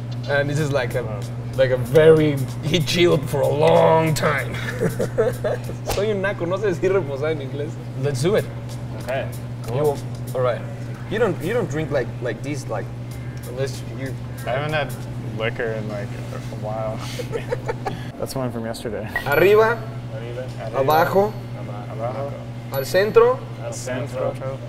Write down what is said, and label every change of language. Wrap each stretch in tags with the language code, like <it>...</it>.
<en>And this is like a very, he chilled for a long time.</en> <es>Soy un naco, no sé decir reposar en inglés.</es> <en>Let's do it. Okay. Cool. All right. You don't drink like this, like, unless you. I haven't had liquor in like a while. That's one from yesterday.</en> <es>Arriba. Arriba. Abajo. Abajo. Al centro. Al centro.</es>